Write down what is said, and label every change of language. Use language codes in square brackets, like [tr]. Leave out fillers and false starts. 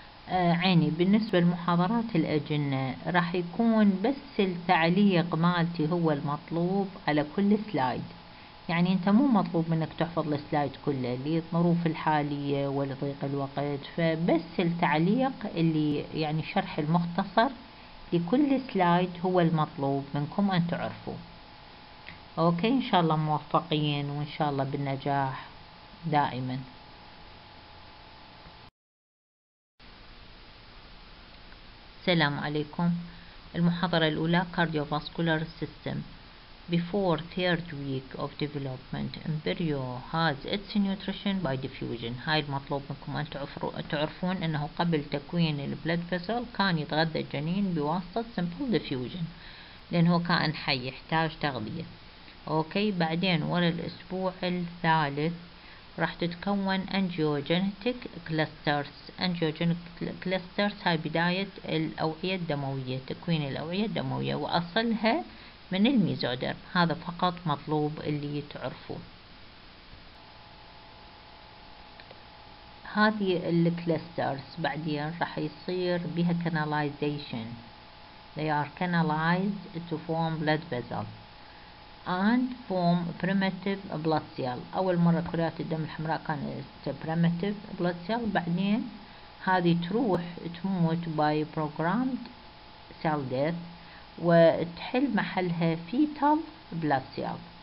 [ar] عيني بالنسبة لمحاضرات الأجنة راح يكون بس التعليق مالتي هو المطلوب على كل سلايد، يعني أنت مو مطلوب منك تحفظ السلايد كله للظروف الحالية ولضيق الوقت، فبس التعليق اللي يعني شرح المختصر لكل سلايد هو المطلوب منكم أن تعرفوه. أوكي، إن شاء الله موفقين وإن شاء الله بالنجاح دائما. السلام عليكم. المحاضرة الأولى Cardiovascular System. [en] Before third week of development, embryo has its nutrition by diffusion. [ar] هاي المطلوب منكم أن تعرفون أنه قبل تكوين البلد فيسل كان يتغذى الجنين بواسطة simple diffusion، لأن هو كائن حي يحتاج تغذية. أوكي، بعدين ورا الأسبوع الثالث راح تتكون angiogenic clusters. angiogenic clusters هاي بداية الأوعية الدموية، تكوين الأوعية الدموية، وأصلها من الميزودر. هذا فقط مطلوب اللي تعرفوه. هذه الكلاسترز بعدين راح يصير بها canalization. [en] they are canalized to form blood vessel and form primitive blood cell. [ar] أول مرة كريات الدم الحمراء كانت primitive blood cell، بعدين هذه تروح تموت [en] by programmed cell death [ar] وتحل محلها fetal blood cell.